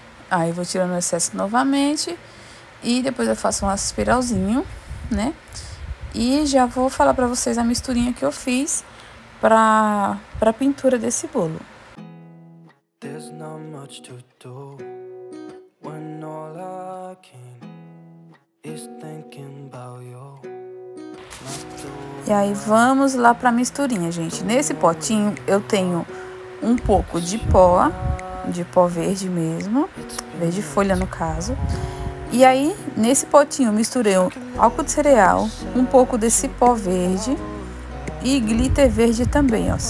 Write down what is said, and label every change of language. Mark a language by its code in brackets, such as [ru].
[pt] Aí eu vou tirando o excesso novamente. E depois eu faço um espiralzinho, né? E já vou falar pra vocês a misturinha que eu fiz pra pintura desse bolo. [en] There's not much to do when all I can is thinking about you. [pt] E aí vamos lá para a misturinha, gente. Nesse potinho eu tenho um pouco de pó verde mesmo, verde folha no caso. E aí nesse potinho eu misturei álcool de cereal, um pouco desse pó verde e glitter verde também, ó.